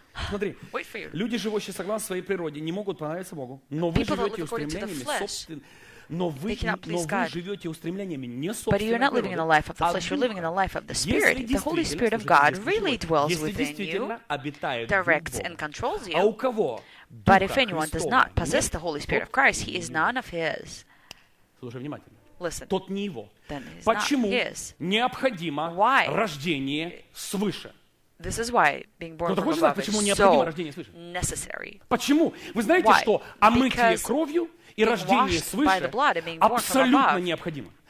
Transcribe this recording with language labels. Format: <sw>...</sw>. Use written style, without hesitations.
<ru>Смотри, люди, живущие согласно своей природе, не могут понравиться Богу, но вы живете устремлениями</ru> <en>But you're not living in the life of the flesh, you're living in the life of the Spirit. The Holy Spirit of God really dwells within you, directs and controls you. But if anyone does not possess the Holy Spirit of Christ, he is none of his. Listen, then he's not his. Why? This is why being born from above is so necessary.</en> <ru>Вы знаете,</ru> <en>why?</en> <ru>Что? Омытие кровью и рождение свыше абсолютно необходимо.</ru>